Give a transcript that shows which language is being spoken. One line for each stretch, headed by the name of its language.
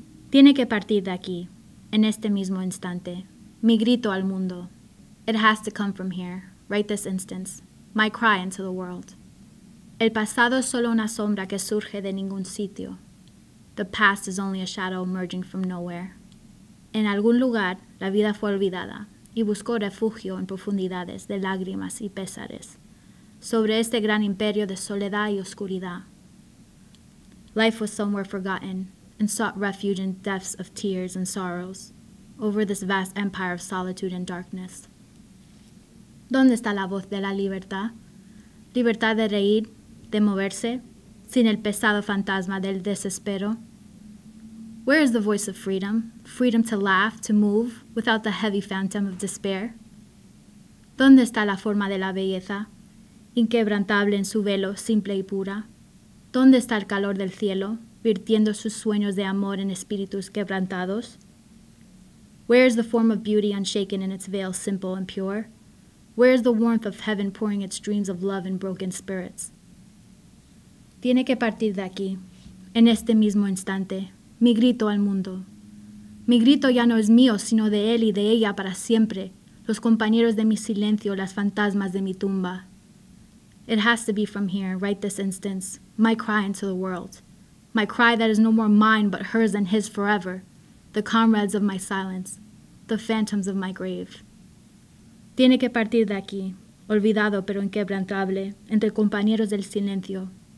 Spanish: Tiene que partir de aquí, en este mismo instante. Mi grito al mundo.
English: It has to come from here, right this instance. My cry into the world.
Spanish: El pasado es solo una sombra que surge de ningún sitio.
English: The past is only a shadow emerging from nowhere.
Spanish: En algún lugar, la vida fue olvidada y buscó refugio en profundidades de lágrimas y pesares sobre este gran imperio de soledad y oscuridad.
English: Life was somewhere forgotten and sought refuge in depths of tears and sorrows over this vast empire of solitude and darkness.
Spanish: ¿Dónde está la voz de la libertad? ¿Libertad de reír, de moverse, sin el pesado fantasma del desespero?
English: Where is the voice of freedom? Freedom to laugh, to move, without the heavy phantom of despair?
Spanish: ¿Dónde está la forma de la belleza? Inquebrantable en su velo, simple y pura. ¿Dónde está el calor del cielo, virtiendo sus sueños de amor en espíritus quebrantados?
English: Where is the form of beauty unshaken in its veil, simple and pure? Where is the warmth of heaven pouring its dreams of love in broken spirits?
Spanish: Tiene que partir de aquí, en este mismo instante. Mi grito al mundo. Mi grito ya no es mío, sino de él y de ella para siempre. Los compañeros de mi silencio, las fantasmas de mi tumba.
English: It has to be from here, right this instance. My cry into the world. My cry that is no more mine, but hers and his forever. The comrades of my silence. The phantoms of my grave.
Spanish: Tiene que partir de aquí, olvidado pero inquebrantable, entre compañeros del silencio.